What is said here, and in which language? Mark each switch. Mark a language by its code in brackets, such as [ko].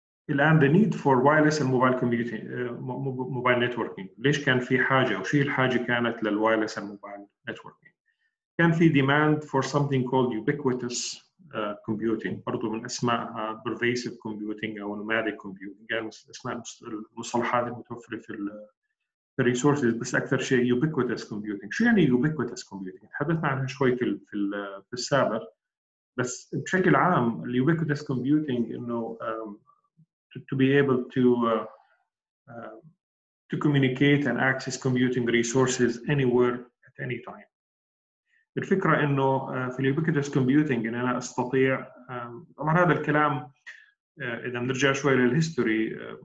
[en] الآن the need for wireless and mobile communication, mobile networking. [ar] ليش كان في حاجة أو شو الحاجة كانت لل wireless and mobile networking؟ كان في [en] demand for something called ubiquitous computing. [ar] برضو من أسمائها pervasive computing أو nomadic computing. يعني أسماء المصطلحات المتوفرة في ال resources، بس أكثر شيء ubiquitous computing. شو يعني [en] ubiquitous computing؟ [ar] تحدثنا عنها شوي في السابق، بس بشكل عام [en] ال ubiquitous computing [ar] إنه [en] to be able to communicate and access computing resources anywhere at any time. [ar] الفكرة إنه في ال ubiquitous computing إن أنا أستطيع طبعاً هذا الكلام إذا نرجع شوي للهيستوري.